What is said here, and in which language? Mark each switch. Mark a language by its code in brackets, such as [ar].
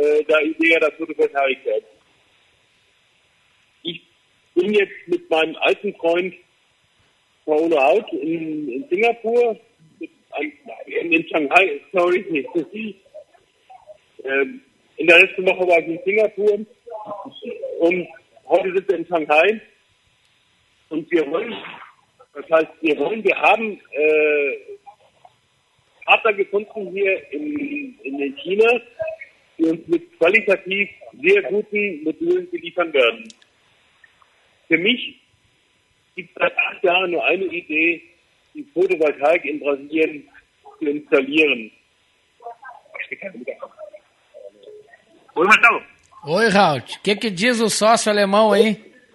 [pt] Eu gosto muito da ideia da Photovoltaik. [de] Ich bin jetzt mit meinem alten Freund Paulo Haut in Singapur, in Shanghai, sorry, nicht für Sie. In der letzten Woche war ich in Singapur und heute sind wir in Shanghai. Und wir haben Partner gefunden hier in China, die uns mit qualitativ sehr guten Modulen beliefern werden. Für mich gibt seit 8 Jahren nur eine Idee, die Photovoltaik in Brasilien zu installieren. [pt] Oi, Marcelo. Oi, Raul. O que, que diz o sócio alemão aí?